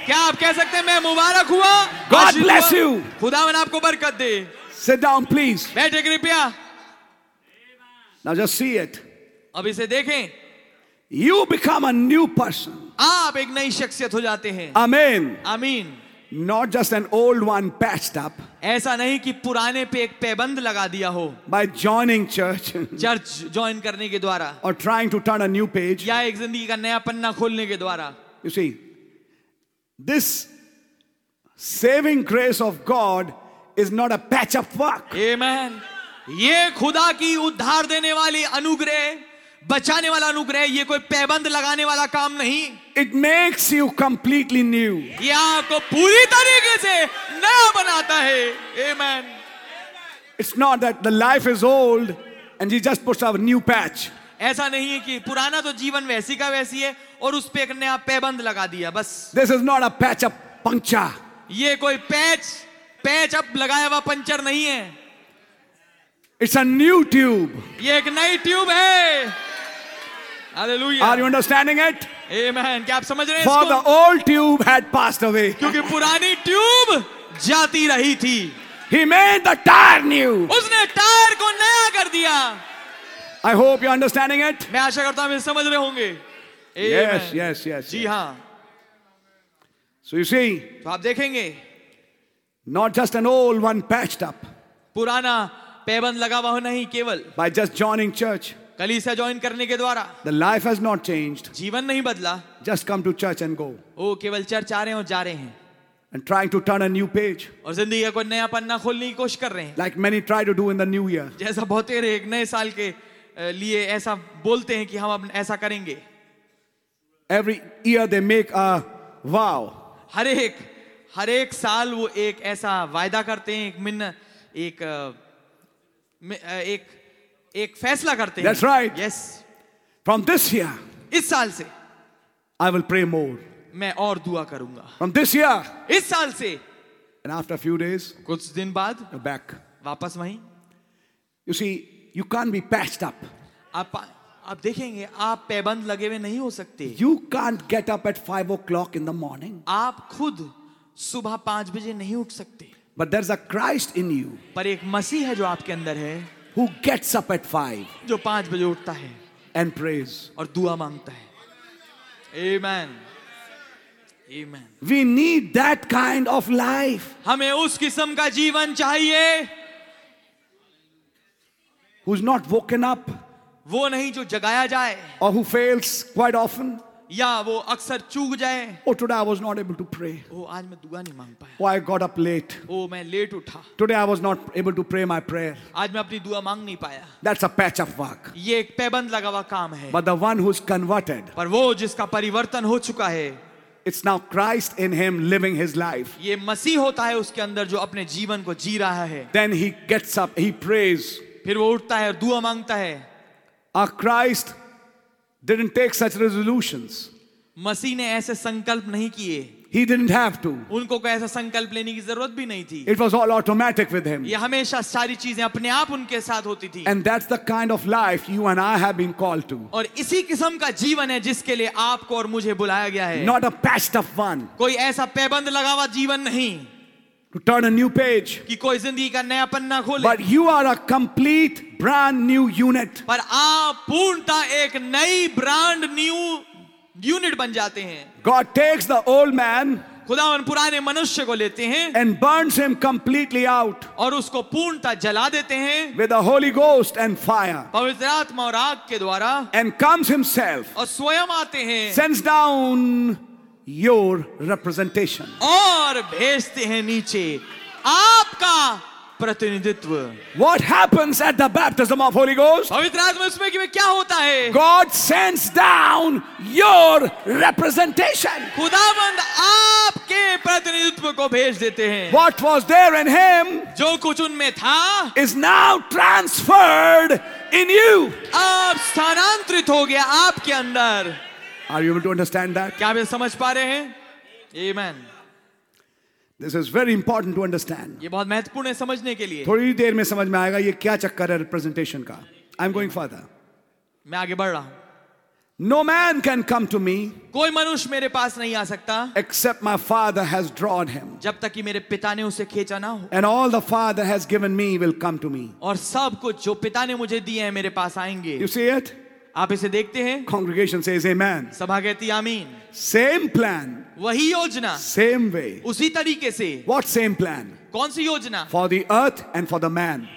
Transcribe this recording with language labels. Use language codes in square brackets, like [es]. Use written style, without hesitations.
[hi] क्या आप कह सकते हैं मैं मुबारक हुआ? [en] God bless you. [hi] खुदावन आपको बरकत दे. [en] Sit down, please. [hi] बैठे कृपया. [en] Now just see it. [hi] अब इसे देखें. [en] You become a new person. [hi] आप एक नई शख्सियत हो जाते हैं. [en] Amen. Amen. Not just an old one patched up. [hi] ऐसा नहीं कि पुराने पे एक पैबंद लगा दिया हो. [en] By joining church. [hi] Church join करने के द्वारा. [en] Or trying to turn a new page. [hi] या एक जिंदगी का नया पन्ना खोलने के द्वारा. [en] You see, this saving grace of God is not a patch up work. Amen. [hi] ये खुदा की उद्धार देने वाली अनुग्रह, बचाने वाला अनुग्रह, ये कोई पैबंद लगाने वाला काम नहीं. [en] It makes you completely new. [hi] ये आपको पूरी तरीके से नया बनाता है. [en] Amen. It's not that the life is old and you just put a new patch. [hi] ऐसा नहीं है कि पुराना तो जीवन वैसी का वैसी है और उस पे एक नया पैबंद लगा दिया बस. [en] This is not a patch up puncture. [hi] ये कोई पैच अप लगाया हुआ पंचर नहीं है. [en] It's a new tube. [hi] ये एक नई ट्यूब है. Hallelujah. [en] Are you understanding it? [hi] Amen. क्या आप समझ रहे हैं? [en] For the old tube had passed away. [hi] क्योंकि पुरानी ट्यूब जाती रही थी. [en] He made the tire new. [hi] उसने टायर को नया कर दिया. [en] I hope you're understanding it. [hi] मैं आशा करता हूं समझ रहे होंगे. [en] Yes, yes, yes. [hi] जी हाँ. [en] So you see. [hi] तो आप देखेंगे. [en] Not just an old one patched up. [hi] पुराना पैबंद लगा हुआ नहीं केवल. [en] By just joining church. [hi] कलीसिया ज्वाइन करने के द्वारा. [en] The life has not changed. [hi] जीवन नहीं बदला. [en] Just come to church and go. [hi] ओ केवल चर्च आ रहे हैं और जा रहे हैं. [en] And trying to turn a new page. [hi] और जिंदगी का कोई नया पन्ना खोलने की कोशिश कर रहे हैं. [en] Like many try to do in the new year. [hi] जैसा बहुतेरे एक नए साल के लिए ऐसा बोलते हैं कि हम अब ऐसा करेंगे. [en] Every year they make a vow. [hi] हर एक साल वो एक ऐसा वायदा करते हैं, एक फैसला करते हैं. [en] That's right. Yes. From this year. [hi] इस साल से. [en] I will pray more. [hi] मैं और दुआ करूंगा. [en] From this year. [hi] इस साल से. [en] And after a few days. [hi] कुछ दिन बाद. [en] You're back. [hi] वापस वहीं. [en] You see, you can't be patched up. [hi] आप देखेंगे आप पैबंद लगे हुए नहीं हो सकते. [en] You can't get up at 5 o'clock in the morning. [hi] आप खुद सुबह 5 बजे नहीं उठ सकते. [en] But there's a Christ in you. [hi] पर एक मसीह है जो आपके अंदर है. [en] Who gets up at 5? [hi] जो 5 बजे उठता है. [en] And prays. [hi] और दुआ मांगता है. Amen. Amen. [en] We need that kind of life. [hi] हमें उस किस्म का जीवन चाहिए. [en] Who's not woken up? [hi] वो नहीं जो जगाया जाए. [en] Or who fails quite often? [hi] या वो अक्सर चूक जाए. [en] Oh, today I was not able to pray. [hi] Oh, आज मैं दुआ नहीं मांग पाया. [en] Oh, I got up late. [hi] Oh, मैं लेट उठा. [en] Today I was not able to pray my prayer. [hi] आज मैं अपनी दुआ मांग नहीं पाया. [en] That's a patch of work. [hi] ये एक पैबंद लगा हुआ काम है. [en] But the one who's converted. [hi] पर वो जिसका परिवर्तन हो चुका है. [en] It's now Christ in him living his life. [hi] ये मसीह होता है उसके अंदर जो अपने जीवन को जी रहा है. [en] Then he gets up, he prays. [hi] फिर वो उठता है और दुआ मांगता है. [en] A Christ didn't take such resolutions. [hi] मसी ने ऐसे संकल्प नहीं किए. [en] He didn't have to. [hi] उनको कोई ऐसा संकल्प लेने की जरूरत भी नहीं थी. [en] It was all automatic with him. [hi] ये हमेशा सारी चीजें अपने आप उनके साथ होती थी. [en] And that's the kind of life you and I have been called to. [hi] और इसी किस्म का जीवन है जिसके लिए आपको और मुझे बुलाया गया है. [en] Not a patched up one. [hi] कोई ऐसा पैबंद लगा हुआ जीवन नहीं. [en] To turn a new page. [hi] कि कोई जिंदगी का नया पन्ना खोले. [en] But you are a complete brand new unit. [hi] पर आप पूर्णतः एक नई [en] brand new [hi] यूनिट बन जाते हैं. [en] God takes the old man, [hi] खुदावन पुराने मनुष्य को लेते हैं, [en] and burns him completely out, [hi] और उसको पूर्णतः जला देते हैं, [en] with the holy ghost and fire, [hi] पवित्र आत्मा और आग के द्वारा, [en] and comes himself, [hi] और स्वयं आते हैं, [en] sends down your representation, [hi] और भेजते हैं नीचे आपका प्रतिनिधित्व. [en] What happens at the baptism of Holy Ghost? [hi] पवित्र आत्मा उसमें कि क्या होता है? [en] God sends down your representation. [hi] खुदावंद आपके प्रतिनिधित्व को भेज देते हैं. [en] What was there in him? [hi] जो कुछ उनमें था, [en] is now transferred in you. [hi] अब स्थानांतरित हो गया आपके अंदर. [en] Are you able to understand that? [hi] क्या आप समझ पा रहे हैं? Amen. [en] This is very important to understand. [hi] ये बहुत महत्वपूर्ण है समझने के लिए. थोड़ी देर में समझ में आएगा ये क्या चक्कर है representation का. [en] I'm going further. [hi] मैं आगे बढ़ रहा हूँ. [en] No man can come to me. [hi] कोई मनुष्य मेरे पास नहीं आ सकता. [en] Except my father has drawn him. [hi] जब तक कि मेरे पिता ने उसे खींचा ना हो. [en] And all the father has given me will come to me. [hi] और सब कुछ जो पिता ने मुझे दिए हैं मेरे पास आएंगे. [en] You see it? [hi] आप इसे देखते हैं. [en] Congregation says amen. [hi] सभा कहती आमीन. [en] Same plan. [hi] वही योजना. [en] Same way. [hi] उसी तरीके से. [en] What same plan? [hi] कौन सी योजना? [en] For the earth and for the man.